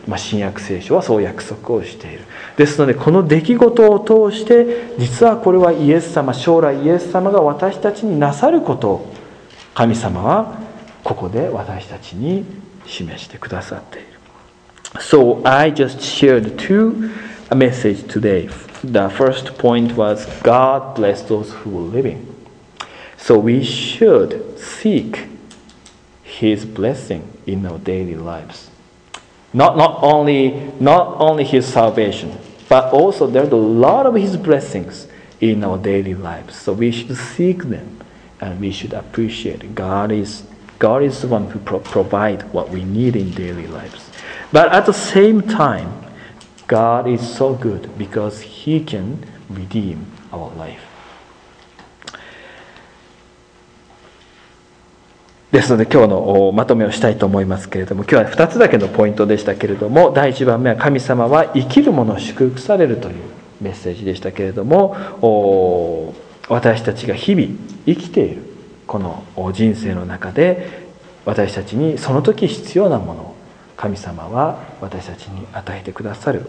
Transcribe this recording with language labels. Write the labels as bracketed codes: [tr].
[ja] まあ、新約聖書はそう約束をしている。ですのでこの出来事を通して、実はこれはイエス様、将来イエス様が私たちになさることを神様はここで私たちに示してくださっている。 [en] So I just shared two messages today. The first point was God bless those who are living. So we should seekHis blessing in our daily lives. Not only His salvation, but also there are a lot of His blessings in our daily lives. So we should seek them and we should appreciate. God is the one who provide what we need in daily lives. But at the same time, God is so good because He can redeem our life. [ja] ですので今日のまとめをしたいと思いますけれども、今日は2つだけのポイントでしたけれども、第1番目は神様は生きるものを祝福されるというメッセージでしたけれども、私たちが日々生きているこの人生の中で、私たちにその時必要なものを神様は私たちに与えてくださる。